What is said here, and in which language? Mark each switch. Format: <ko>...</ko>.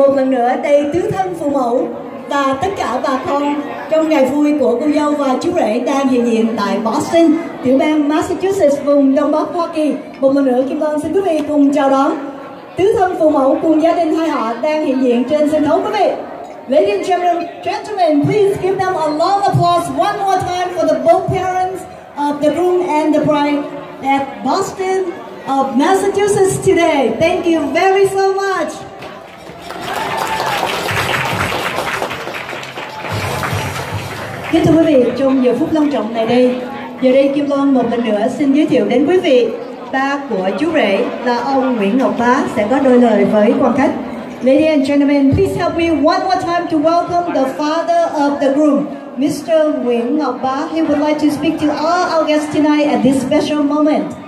<vi>Nữa đây tứ thân phụ mẫu và tất cả bà con trong ngày vui của cô dâu và chú rể đang hiện diện tại Boston, tiểu bang Massachusetts, vùng Đông Bắc Hoa Kỳ. Một lần nữa Kim Loan xin quý vị cùng chào đón tứ thân phụ mẫu cùng gia đình hai họ đang hiện diện trên sân khấu quý vị.</vi> <en>Ladies and gentlemen, please give them a long applause one more time for the both parents of the groom and the bride at Boston of Massachusetts today. Thank you very so much.</en> <vi>Kính thưa quý vị, trong giờ phút long trọng này đây, giờ đây Kim Loan một lần nữa xin giới thiệu đến quý vị ba của chú rể là ông Nguyễn Ngọc Bá sẽ có đôi lời với quan khách.</vi> <en>Ladies and gentlemen, please help me one more time to welcome the father of the groom, Mr. Nguyễn Ngọc Bá. He would like to speak to all our guests tonight at this special moment.</en>